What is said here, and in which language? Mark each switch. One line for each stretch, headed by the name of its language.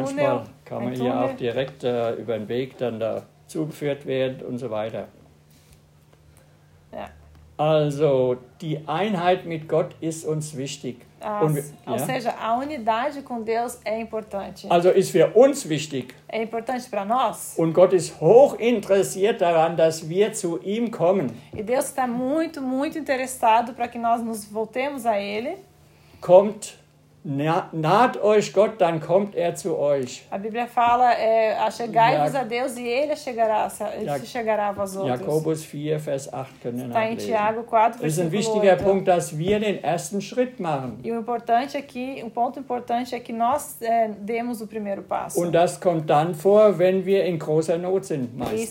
German: Manchmal kann man hier auch direkt über den Weg dann da zugeführt werden und so weiter. Ja. Also die Einheit mit Gott ist uns wichtig.
Portuguese: Ou seja, a unidade com Deus é importante.
German: Also ist für uns wichtig.
Portuguese: É importante para nós.
German: Und Gott ist hoch interessiert daran, dass wir zu ihm kommen.
Portuguese: E Deus está muito, muito interessado para que nós nos voltemos a Ele.
German: Kommt, naht euch Gott, dann kommt er zu euch.
Portuguese: A Bíblia fala, achegai-vos a Deus e Ele chegará a vós outros.
German: Jakobus 4, Vers 8 können wir nachlesen.
Portuguese: Está em Tiago 4,
German: Vers 8. Es ist ein wichtiger Punkt, dass wir den ersten Schritt machen.
Portuguese: E o ponto importante é que nós demos o primeiro passo.
German: Und das kommt dann vor, wenn wir in großer Not sind, meistens.